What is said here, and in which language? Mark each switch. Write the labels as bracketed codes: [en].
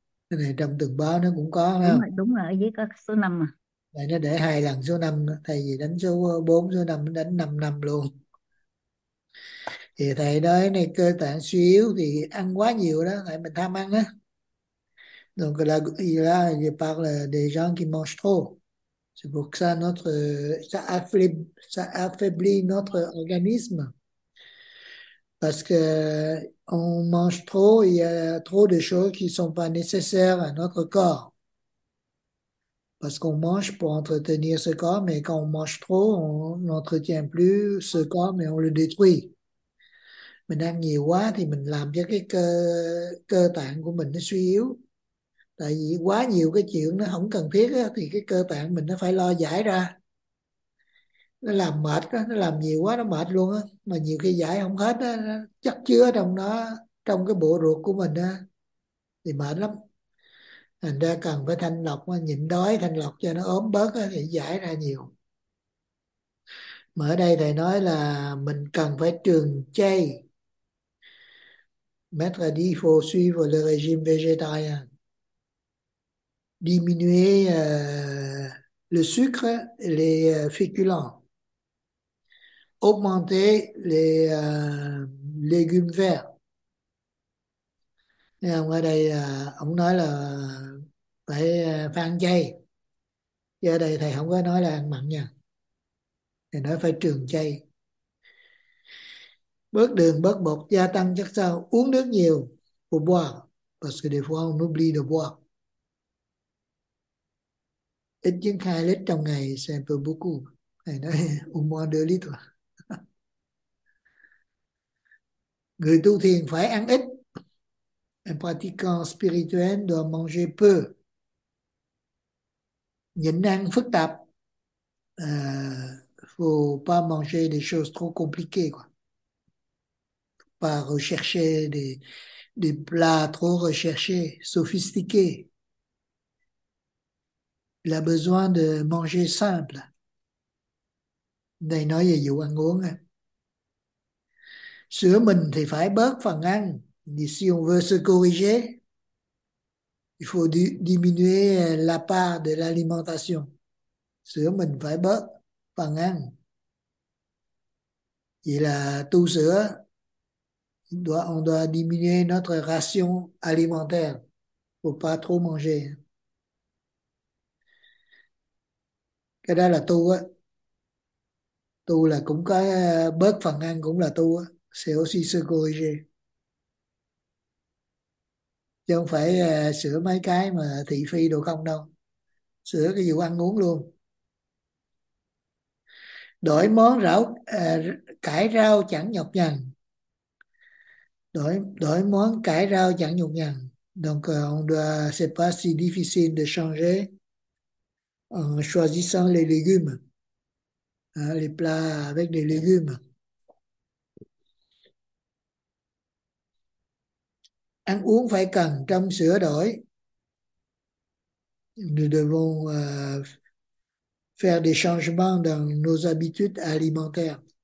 [vi] Cái này trong từng báo nó cũng có Đúng không? rồi, đúng rồi, ở dưới có số 5 mà. Vậy nó để hai lần số 5, thay vì đánh số 4, số 5, đánh 5 năm luôn. Thì thầy nói này, cơ tạng suy yếu thì ăn quá nhiều đó, tại mình tham ăn á. [fr] Donc là, il a, il parle des gens qui mangent trop. C'est pour ça notre ça affaiblit notre organisme parce que on mange trop, il y a trop de choses qui sont pas nécessaires à notre corps parce qu'on mange pour entretenir ce corps, mais quand on mange trop on n'entretient plus ce corps mais on le détruit. [vi] Mình ăn nhiều quá thì mình làm cho cái cơ cơ tạng của mình nó suy yếu. Tại vì quá nhiều cái chuyện nó không cần thiết á, thì cái cơ tạng mình nó phải lo giải ra. Nó làm mệt á, nó làm nhiều quá nó mệt luôn á. Mà nhiều khi giải không hết á, nó chất chứa trong nó, trong cái bộ ruột của mình á, thì mệt lắm. Thành ra cần phải thanh lọc, nhịn đói thanh lọc cho nó ốm bớt á, thì giải ra nhiều. Mà ở đây thầy nói là mình cần phải trường chay. [fr] Maître a dit il faut suivre le régime végétarien. Diminuer le sucre et les féculents. Augmenter les légumes verts. Et on a [vi] đây ông nói là phải ăn chay. Giờ đây thầy không có nói là ăn mặn nha. Thầy nói phải trường chay. Bớt đường, bớt bột, gia tăng chất xơ, uống nước nhiều, [fr] pour boire, parce que des fois on oublie de boire. [vi] Ít nhất 2 lít trong ngày, [fr] c'est un peu beaucoup. [vi] Thầy nói, uống [fr] moins [vi] 2 lít thôi. Người tu thiền phải ăn ít. [fr] Un pratiquant spirituel doit manger peu. [vi] Nhịn ăn phức tạp. [fr] Faut pas manger des choses trop compliquées, quoi. Pas rechercher des plats trop recherchés, sophistiqués. Il a besoin de manger simple. [vi] Đây nói về vụ ăn uống. Sửa mình thì phải bớt phần ăn. [fr] Si on veut se corriger, il faut diminuer la part de l'alimentation. [vi] Sửa mình phải bớt phần ăn. Vậy là tu sửa. [fr] On doit diminuer notre ration alimentaire pour pas trop manger. [vi] Cái đó là tu á. Tu là cũng có bớt phần ăn cũng là tu á. [fr] C'est aussi se corriger. [vi] Chứ không phải sửa mấy cái mà thị phi đồ không đâu. Sửa cái vụ ăn uống luôn. Đổi món rau, cải rau chẳng nhọc nhằn. Đổi món cải rau chẳng nhọc nhằn. [fr] Donc, on doit, c'est pas si difficile de changer en choisissant les légumes. Les plats avec des légumes. [vi] Ăn uống phải cần trong sửa đổi. [fr] Nous devons faire des changements dans nos habitudes alimentaires.